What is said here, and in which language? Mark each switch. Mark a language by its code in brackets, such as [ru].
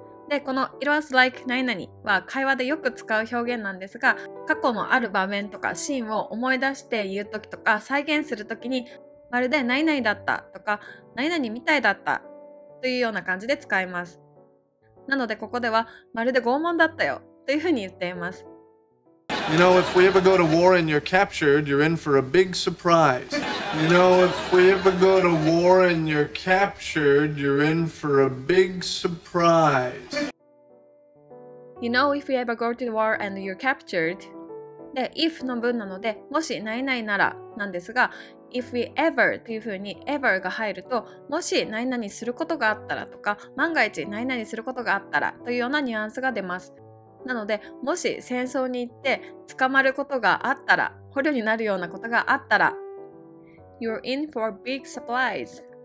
[ja] でこの [en] It was like [ja] 何々は会話でよく使う表現なんですが、過去のある場面とかシーンを思い出して言う時とか再現する時にまるで何々だったとか何々みたいだったというような感じで使います。なのでここではまるで拷問だったよというふうに言っています。 [en] You know, if we ever go to war and you're captured, you're in for a big surprise. You know, if we ever go to war and you're captured, you're in for a big surprise. You know, if we ever go to war and you're captured. [ja] で、if の文なので、もし何々ならなんですが、 [en] if we ever [ja] というふうに ever が入ると、もし何々することがあったらとか、万が一何々することがあったらというようなニュアンスが出ます。なので、もし戦争に行って捕まることがあったら、捕虜になるようなことがあったら、 [en] You're in for big surprise.